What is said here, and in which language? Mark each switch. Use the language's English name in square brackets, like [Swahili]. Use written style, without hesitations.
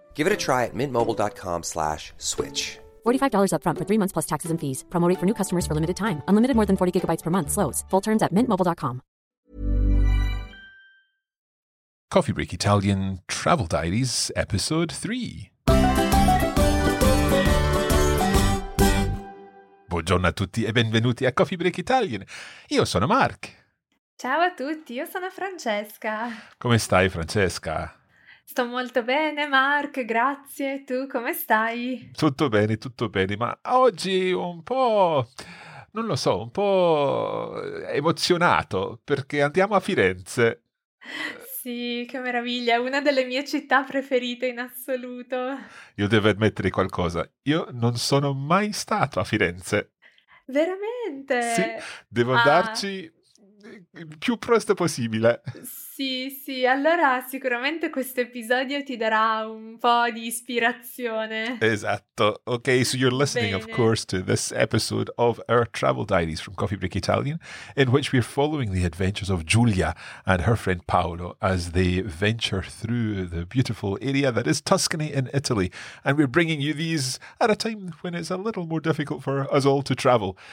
[English] Give it a try at mintmobile.com/switch. $45 up front for 3 months plus taxes and fees. Promo rate for new customers for limited time. Unlimited more than 40 gigabytes per month slows. Full terms at mintmobile.com. Coffee Break Italian Travel Diaries, Episode 3. [Italian] Buongiorno a tutti e benvenuti a Coffee Break Italian. Io sono Mark. Ciao a tutti, io sono Francesca. Come stai, Francesca? Sto molto bene, Mark, grazie. Tu come stai? Tutto bene, ma oggi un po', non lo so, un po' emozionato perché andiamo a Firenze. Sì, che meraviglia, una delle mie città preferite in assoluto. Io devo ammettere qualcosa, io non sono mai stato a Firenze. Veramente? Sì, devo andarci il più presto possibile. Sì, sì, allora sicuramente questo episodio ti darà un po' di ispirazione. Esatto, ok, [English] so you're listening, [Italian] bene, [English] of course, to this episode of our travel diaries from Coffee Break Italian, in which we're following the adventures of Giulia and her friend Paolo as they venture through the beautiful area that is Tuscany in Italy. And we're bringing you these at a time when it's a little more difficult for us all to travel.